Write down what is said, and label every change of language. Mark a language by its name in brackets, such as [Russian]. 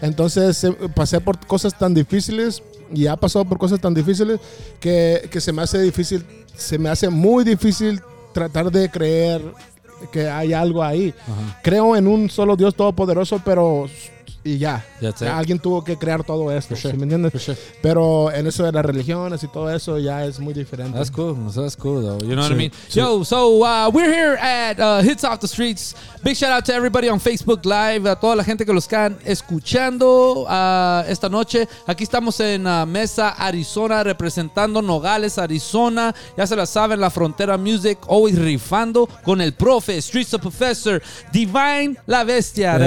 [Spanish] Entonces pasé por cosas tan difíciles y ha pasado por cosas tan difíciles que se me hace difícil, se me hace muy difícil tratar de creer que hay algo ahí. Ajá. Creo en un solo Dios todopoderoso, pero y ya. [English] That's it. [Spanish] Alguien tuvo que crear todo esto, [English] for sure. [Spanish] ¿sí me entiendes? [English] For sure. [Spanish] Pero en eso de las religiones y todo eso ya es muy diferente. [English] That's cool, though. You know what I mean? [Spanish] Sí. [English] Yo, so we're here at Hitz Off the Streets. Big shout out to everybody on Facebook Live, [Spanish] a toda la gente que los están escuchando esta noche. Aquí estamos en Mesa, Arizona, representando Nogales, Arizona. Ya se la saben, la frontera music, always rifando con el profe, Streetz the Professor, Divine La Bestia. Yeah.